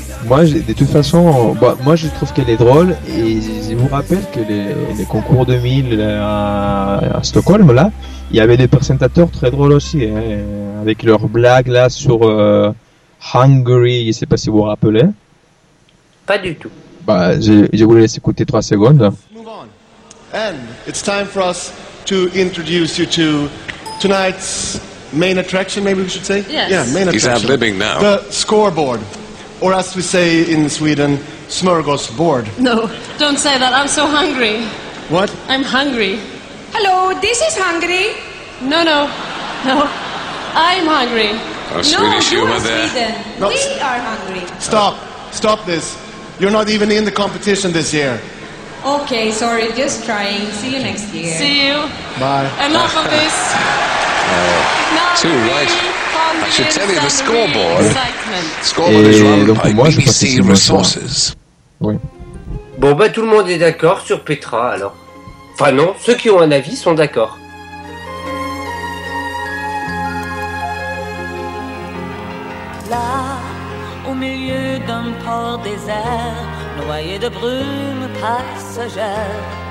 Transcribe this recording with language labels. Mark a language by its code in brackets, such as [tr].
[fr] Moi, de toute façon, moi je trouve qu'elle est drôle et je vous rappelle que les concours 2000 à Stockholm, là, il y avait des présentateurs très drôles aussi, hein, avec leurs blagues là sur Hungary, je ne sais pas si vous vous rappelez. Pas du tout. Bah, je vous laisse écouter 3 secondes. [en] Move on. And it's time for us to introduce you to tonight's main attraction, maybe we should say. Yes. Yeah, main attraction. He's ad-libbing now. The scoreboard. Or as we say in Sweden, smörgåsbord. No, don't say that. I'm so hungry. What? I'm hungry. Hello, this is Hungary. No, no, no. I'm hungry. Oh, Swedish no, you humor are there. Sweden. No. We are hungry. Stop. Stop this. You're not even in the competition this year. Okay, sorry. Just trying. See you next year. See you. Bye. Enough of this. Too right. I should tell you the scoreboard. Scoreboard is run by BBC Resources. [fr] Oui. Bon, bah, tout le monde est d'accord sur Petra, alors. Enfin, non, ceux qui ont un avis sont d'accord. Là, au milieu d'un port désert, noyé de brume passagère.